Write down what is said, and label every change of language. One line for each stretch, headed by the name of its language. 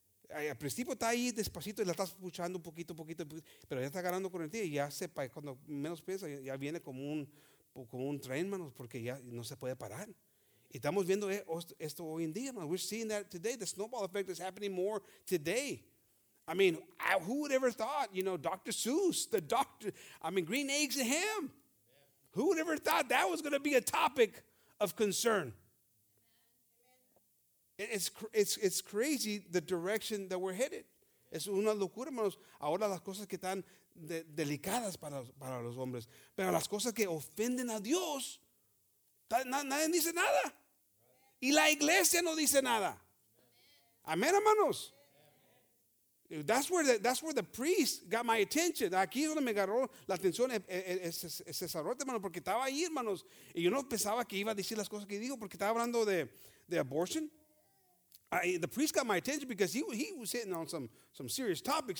Spanish: Al principio está ahí despacito y la estás puchando poquito, pero ya está agarrando correntía y ya sepa, cuando menos piensa ya viene como un tren, hermanos, porque ya no se puede parar. Y estamos viendo esto hoy en día, man.
English: We're seeing that today. The snowball effect is happening more today. I mean, who would ever thought, you know, Dr. Seuss, the doctor, I mean, green eggs and ham. Who would ever thought that was going to be a topic of concern? It's crazy the direction that we're headed.
Spanish: Es una locura, hermanos. Ahora las cosas que están delicadas para los hombres. Pero las cosas que ofenden a Dios, nadie dice nada. Y la iglesia no dice nada. Amén, hermanos.
English: That's where the priest got my attention.
Spanish: Aquí es donde me agarró la atención el sacerdote, hermano, porque estaba ahí, hermanos. Y yo no pensaba que iba a decir las cosas que digo, porque estaba hablando de abortion.
English: The priest got my attention because he was hitting on some serious topics.